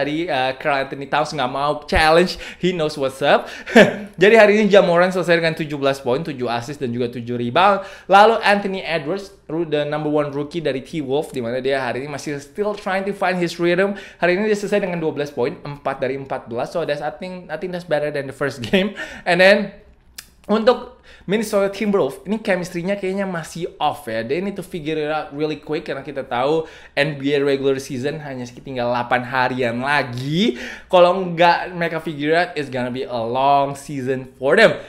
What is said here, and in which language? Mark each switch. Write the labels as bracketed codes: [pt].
[en] Tadi Karl Anthony Towns nggak mau challenge, he knows what's up. [id] Jadi hari ini Ja Morant selesai dengan 17 poin, 7 assist dan juga 7 rebound. [en] Lalu Anthony Edwards, the number one rookie dari T-Wolves, di mana dia hari ini masih still trying to find his rhythm. [id] Hari ini dia selesai dengan 12 poin, 4 dari 14. [en] So that's I think that's better than the first game. [id] And then untuk Minnesota Timberwolves, ini chemistry-nya kayaknya masih off ya. [en] They need to figure it out really quick karena kita tahu NBA regular season hanya tinggal 8 harian lagi. Kalau nggak mereka figure out, it's gonna be a long season for them.